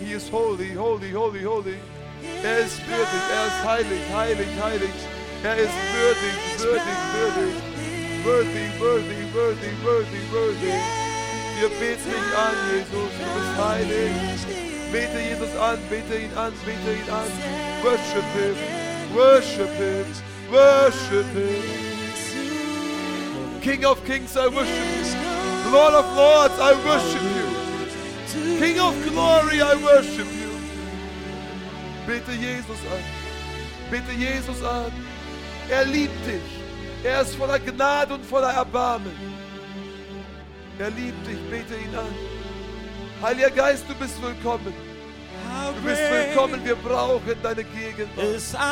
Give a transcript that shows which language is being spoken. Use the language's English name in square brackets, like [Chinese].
[English] He is holy, holy, holy, holy. [German] Er ist würdig. Er ist heilig, heilig, heilig. Er ist würdig, würdig, würdig. [English] Worthy, worthy, worthy, worthy, worthy. [German] Wir beten dich an, Jesus, du bist heilig. Bete Jesus an, bete ihn an, bete ihn an. [English] Worship him, worship him, worship him. King of kings, I worship you. Lord of lords, I worship you. King of glory, I worship you. [German] Bete Jesus an, bete Jesus an. Er liebt dich, er ist voller Gnade und voller Erbarmen. Er liebt dich, bete ihn an. Heiliger Geist, du bist willkommen. Du bist willkommen, wir brauchen deine Gegenwart.